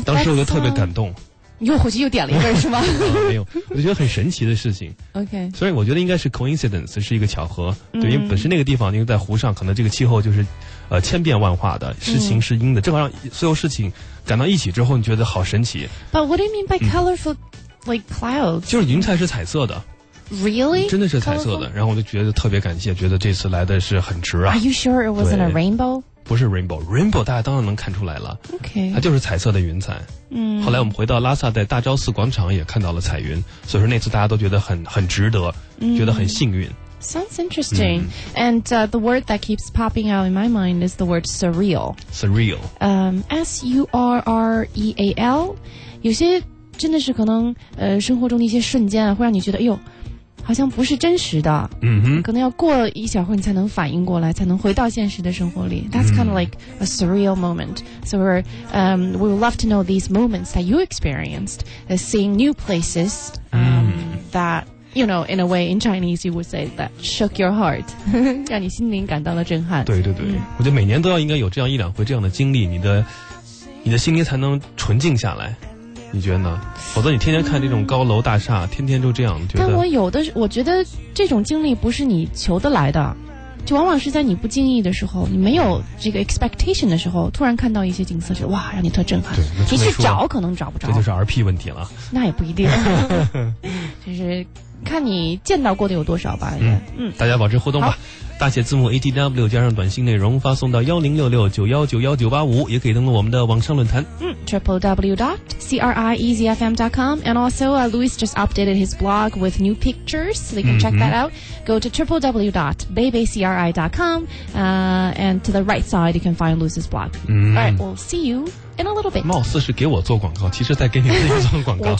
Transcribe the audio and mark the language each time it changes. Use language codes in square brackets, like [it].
[zh] 当时我就特别感动。你又回去又点了一份是吗？没有，我就觉得很神奇的事情。 [en] OK。 [zh] 所以我觉得应该是 coincidence, 是一个巧合。对，因为本身那个地方因为在湖上，可能这个气候就是千变万化的，是晴是阴的，正好让所有事情赶到一起之后，你觉得好神奇。 [en] But what do you mean by colorful, like clouds? [zh] 就是云彩是彩色的。 [en] Really? [zh] 真的是彩色的。然后我就觉得特别感谢，觉得这次来的是很值啊。 [en] Are you sure it wasn't a rainbow? [zh] 不是 rainbow, rainbow 大家当然能看出来了。 [en] OK。 [zh] 它就是彩色的云彩。后来我们回到拉萨，在大昭寺广场也看到了彩云，所以说那次大家都觉得很值得，觉得很幸运。 [en] Sounds interesting. And the word that keeps popping out in my mind is the word surreal. Surreal. S-U-R-R-E-A-L. [zh] 有些真的是可能生活中的一些瞬间会让你觉得哎呦好像不是真实的。可能要过一小会你才能反应过来，才能回到现实的生活里。 [en] That's kind of like a surreal moment. So we would love to know these moments that you experienced, seeing new places, that... You know, in a way, in Chinese, you would say that shook your heart, [zh] 让你心灵感到了震撼。对对对，我觉得每年都要应该有这样一两回这样的经历，你的心灵才能纯净下来。你觉得呢？否则你天天看这种高楼大厦，天天就这样，觉得。但我有的，我觉得这种经历不是你求得来的，就往往是在你不经意的时候，你没有这个 expectation 的时候，突然看到一些景色，觉得哇，让你特震撼。对，你去找可能找不着。这就是 RP 问题了。那也不一定，就是。看你见到过的有多少吧。大家保持互动吧。大写字母 ATW 加上短信内容发送到10669191985，也可以登录我们的网上论坛。 [en] www.criezfm.com. And also, Louis just updated his blog with new pictures, so you can check that out. Go to www.beibeicri.com. And to the right side, you can find Louis's blog. Alright, we'll see you in a little bit. [zh] 貌似是给我做广告，其实在给你自己做广告。